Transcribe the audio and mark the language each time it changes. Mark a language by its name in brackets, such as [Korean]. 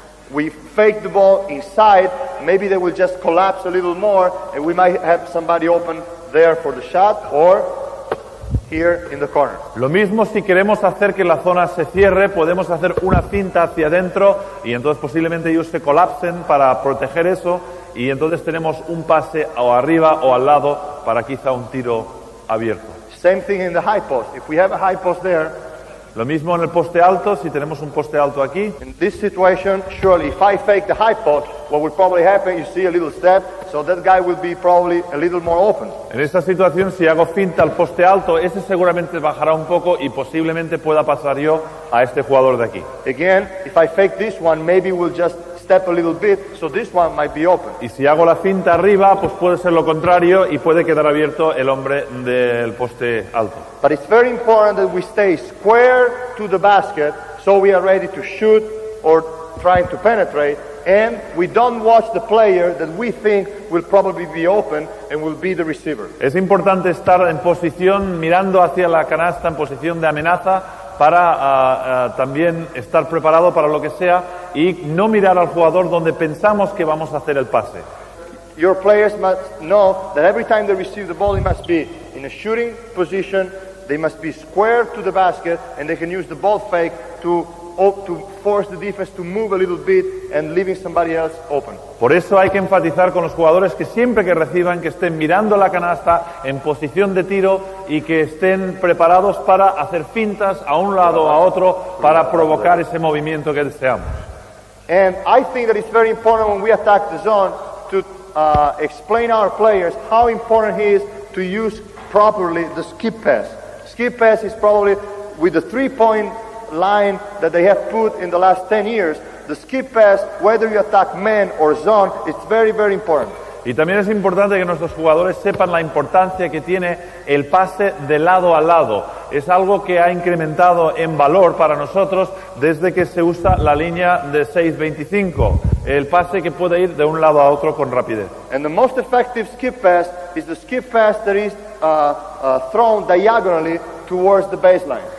[English] we fake the ball inside, maybe they will just collapse a little more, and we might have somebody open there for the shot, or here in the corner. [Spanish] Lo mismo si queremos hacer que la zona se cierre, podemos hacer una cinta hacia adentro, y entonces posiblemente ellos se colapsen para proteger eso, y entonces tenemos un pase o arriba o al lado para quizá un tiro abierto. [English] Same thing in the high post. If we have a high post there, [Spanish] lo mismo en el poste alto, si tenemos un poste alto aquí. [English] In this situation, surely, if I fake the high post, what will probably happen, you see a little step, so that guy will be probably a little more open. [Spanish] En esta situación, si hago finta al poste alto, ese seguramente bajará un poco y posiblemente pueda pasar yo a este jugador de aquí. [English] Again, if I fake this one, maybe we'll just step a little bit, so this one might be open. [Spanish] Y si hago la finta arriba, pues puede ser lo contrario y puede quedar abierto el hombre del poste alto. [English] But it's very important that we stay square to the basket, so we are ready to shoot or trying to penetrate, and we don't watch the player that we think will probably be open and will be the receiver. [Spanish] Es importante estar en posición mirando hacia la canasta, en posición de amenaza, para también estar preparado para lo que sea y no mirar al jugador donde pensamos que vamos a hacer el pase. [English] Your players must know that every time they receive the ball, they must be in a shooting position, they must be square to the basket, and they can use the ball fake to force the defense to move a little bit and leaving somebody else open. [Spanish] Por eso hay que enfatizar con los jugadores que siempre que reciban que estén mirando la canasta en posición de tiro y que estén preparados para hacer fintas a un lado o a otro para provocar ese movimiento que deseamos. [English] And I think that it's very important when we attack the zone to explain our players how important it is to use properly the skip pass. Skip pass is probably with the 3-point line that they have put in the last 10 years, the skip pass, whether you attack man or zone, it's very, very important. [Spanish] Y también es importante que nuestros jugadores sepan la importancia que tiene el pase de lado a lado. Es algo que ha incrementado en valor para nosotros desde que se usa la línea de 6-25, el pase que puede ir de un lado a otro con rapidez. [English] And the most effective skip pass is the skip pass that is thrown diagonally towards the baseline.